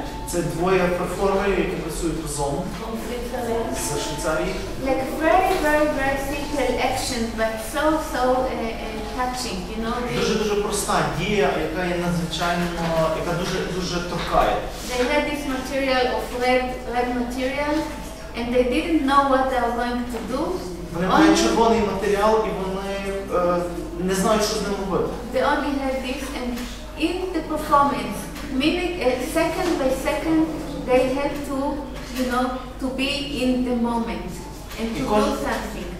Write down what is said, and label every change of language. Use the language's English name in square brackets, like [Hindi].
[Ukrainian] Це двоє перформерів, які працюють разом з Швейцарії. [English] Like very simple action, but so touching, you know. [Ukrainian] Дуже проста дія, яка є надзвичайно, яка дуже торкає. [English] They had this material of red material, and they didn't know what they are going to do. [Ukrainian] Вони мають червоний матеріал, і вони не знають, що з ним робити. [English] They only had this, and in the performance, minute, second by second, they had to, you know, to be in the moment and to do something.